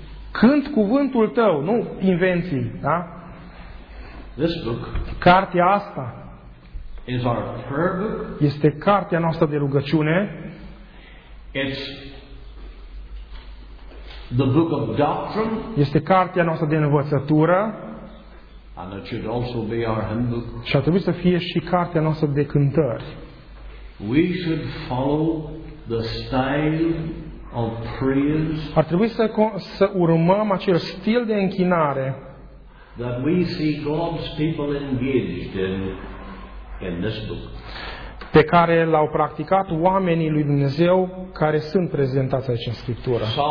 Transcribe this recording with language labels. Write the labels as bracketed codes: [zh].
[ro] Cânt cuvântul tău, nu invenții, da? [en] This book, [ro] cartea asta, [en] is our prayer book. [ro] Este cartea noastră de rugăciune. [en] It's the book of doctrine. [ro] Este cartea noastră de învățătură. [en] And it should also be our hymn book. [ro] Și ar trebui să fie și cartea noastră de cântări. [en] We should follow the style of praise. [ro] Ar trebui să urmăm acel stil de închinare. [en] That we see God's people engaged in this book. [ro] Pe care l-au practicat oamenii lui Dumnezeu care sunt prezentați aici în Scriptură.